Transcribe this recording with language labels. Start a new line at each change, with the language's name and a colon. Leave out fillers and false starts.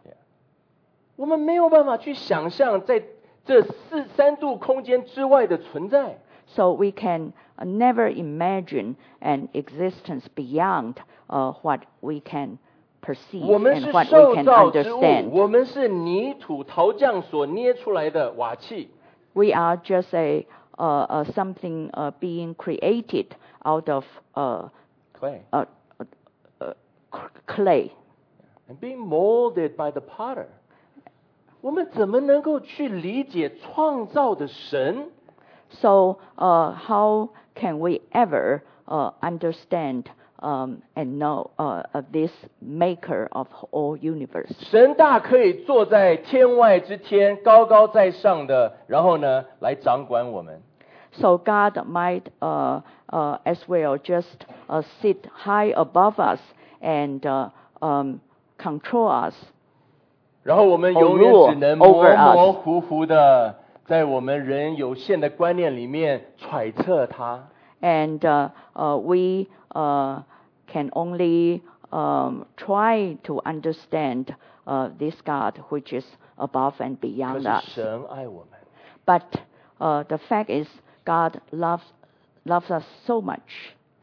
Chinese: Yeah. 我们没有办法去想象在这三度空间之外的存在。
English: So we can never imagine an existence beyond what we can perceive.
Chinese: 我们是受造之物，我们是泥土陶匠所捏出来的瓦器。
English: We are just something being created out of clay. And being molded by the potter.
Chinese: 我们怎么能够去理解创造的神？
English: So how can we ever understand and know this maker of all universe.
Chinese: 神大可以坐在天外之天，高高在上的，然后呢，来掌管我们。
English: So God might as well just sit high above us and control us.
Chinese: 然后我们永远只能模模糊糊的在我们人有限的观念里面揣测他。
English: And can only try to understand this God which is above and beyond us. But the fact is, God loves us so much.